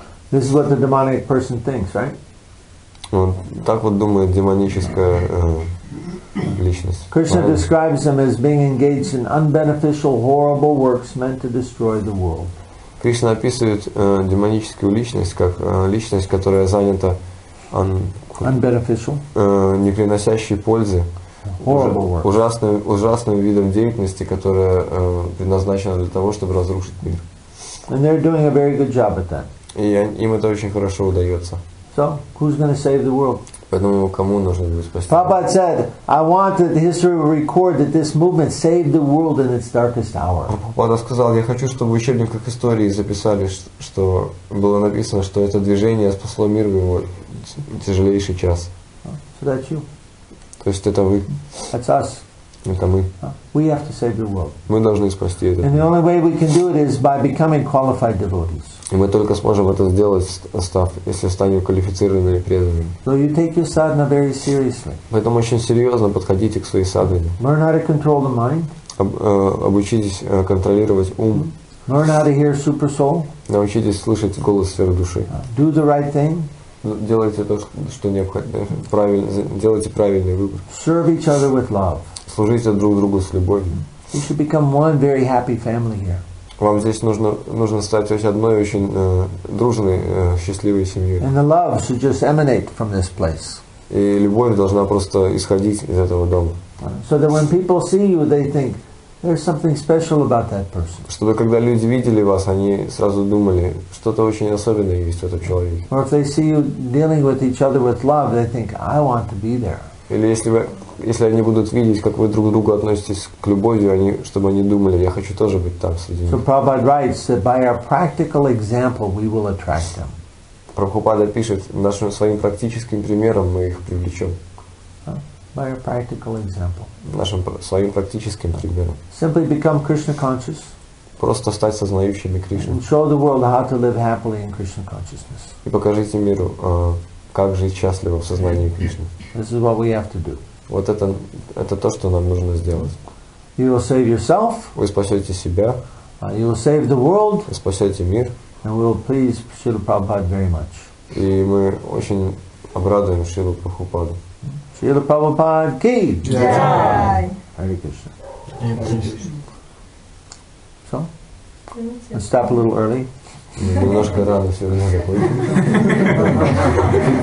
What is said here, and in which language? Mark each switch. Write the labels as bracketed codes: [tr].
[en] This is what the demonic person thinks, right? [ru] Так вот думает демоническая личность. [en] Krishna describes them as being engaged in unbeneficial, horrible works meant to destroy the world. [ru] Кришна описывает демоническую личность как личность, которая занята [en] unbeneficial, [ru] не приносящей пользы. Ужасным видом деятельности, которая предназначена для того, чтобы разрушить мир. [en] And they're doing a very good job at that. [ru] И им это очень хорошо удается. [en] So, who's going to save the world? [ru] Поэтому кому нужно будет спасти? [en] Prabhupada said, I want that history will record that this movement saved the world in its darkest hour. [ru] Он сказал, я хочу, чтобы в учебниках истории записали, что было написано, что это движение спасло мир в его тяжелейший час. [en] So that's you. [ru] То есть это вы. [en] That's us. [ru] Это мы. [en] We have to save the world. [ru] Мы должны спасти это. [en] And the only way we can do it is by becoming qualified devotees. [ru] И мы только сможем это сделать, если станем квалифицированными преданными. [en] So you take your sadhana very seriously. [ru] Поэтому очень серьезно подходите к своей садхане. [en] Learn how to control the mind. [ru] Обучитесь контролировать ум. [en] Learn how to hear super soul. [ru] Научитесь слышать голос сферы души. [en] Do the right thing. [ru] Делайте то, что необходимо. Правильно, делайте правильный выбор. [en] Serve each other with love. [ru] Служите друг другу с любовью. [en] You should become one very happy family here. [ru] Вам здесь нужно стать одной очень дружной, счастливой семьей. [en] And the love should just emanate from this place. [ru] И любовь должна просто исходить из этого дома. [en] So that when people see you, they think there's something special about that person. [ru] Чтобы когда люди видели вас, они сразу думали, что-то очень особенное есть в этом человеке. [en] Or if they see you dealing with each other with love, they think, I want to be there. [ru] Или если они будут видеть, как вы друг к другу относитесь к любовью, чтобы они думали, я хочу тоже быть там среди них. [en] So Prabhupada writes that by our practical example, we will attract them. [ru] Прабхупада пишет, нашим своим практическим примером мы их привлечем. [en] By a practical example. [ru] Нашим своим практическим примером. [en] Simply become Krishna conscious. [ru] Просто стать сознающими Кришну. [en] And show the world how to live happily in Krishna consciousness. [ru] И покажите миру, как жить счастливо в сознании Кришны. [en] This is what we have to do. [ru] Вот это то, что нам нужно сделать. [en] You will save yourself. [ru] Вы спасете себя. [en] You will save the world. [ru] Вы спасете мир. [en] And we will please Srila Prabhupada very much. [ru] И мы очень обрадуем Шрилу Прабхупаду. [hi] Srila Prabhupada ki! Jai! [en] Yeah. Yeah. Hare Krishna. So? Let's stop a little early. [ru] Немножко рано сегодня заходим.